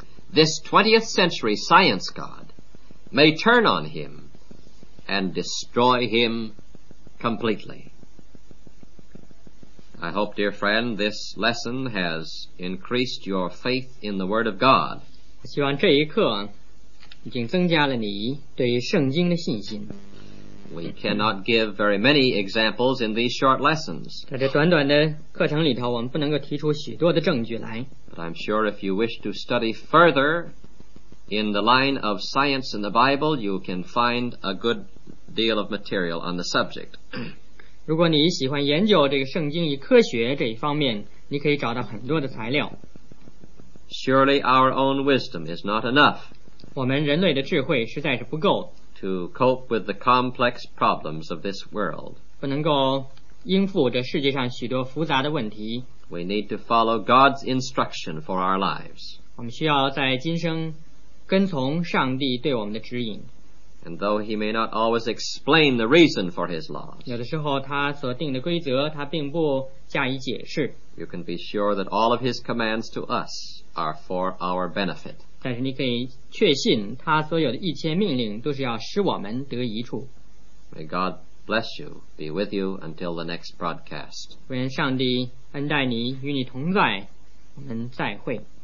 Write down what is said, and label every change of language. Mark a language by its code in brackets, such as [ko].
[en] This 20th century science god may turn on him and destroy him completely. I hope, dear friend, this lesson has increased your faith in the Word of God. [zh] 希望这一课已经增加了你对于圣经的信心。 [en] We cannot give very many examples in these short lessons. [zh] 在这短短的课程里头，我们不能够提出许多的证据来。 [en] But I'm sure if you wish to study further in the line of science in the Bible, you can find a good deal of material on the subject. [zh] 如果你喜欢研究这个圣经与科学这一方面，你可以找到很多的材料。 [en] Surely our own wisdom is not enough. [zh] 我们人类的智慧实在是不够。 [en] To cope with the complex problems of this world. [zh] 不能够应付这世界上许多复杂的问题。 [en] We need to follow God's instruction for our lives. [zh] 我们需要在今生跟从上帝对我们的指引。 [en] And though he may not always explain the reason for his laws, [zh] 有的时候他所定的规则他并不加以解释。 [en] You can be sure that all of his commands to us are for our benefit. [zh] 但是你可以确信他所有的一切命令都是要使我们得益处。 [en] May God bless you, be with you until the next broadcast. [zh] 愿上帝恩待你，与你同在，我们再会。